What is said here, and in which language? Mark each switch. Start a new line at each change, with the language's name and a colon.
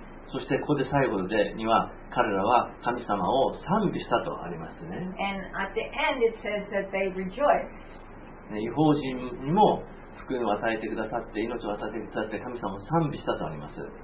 Japanese: そしてここで最後でには彼らは神様を賛美したとありますね。
English: And at the end it says that they rejoiced.
Japanese: 異邦人にも福音を与えてくださって命を与えてくださって神様を賛美したとあります。